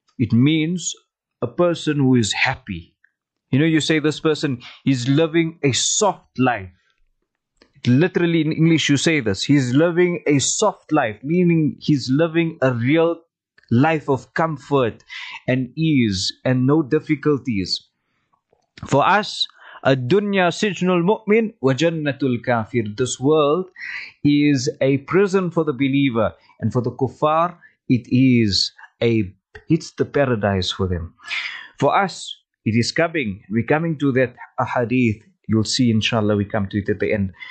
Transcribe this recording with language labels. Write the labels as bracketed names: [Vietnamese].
[English] It means a person who is happy. You know, you say this person is living a soft life. Literally in English you say this, he's living a soft life, meaning he's living a real life of comfort and ease and no difficulties. For us, [Arabic] الدُّنْيَا سِجْنُ الْمُؤْمِنِ وَجَنَّةُ الْكَافِرِ. [English] This world is a prison for the believer, and for the kuffar, it's the paradise for them. For us, it is coming, we're coming to that ahadith. You'll see, inshallah, we come to it at the end.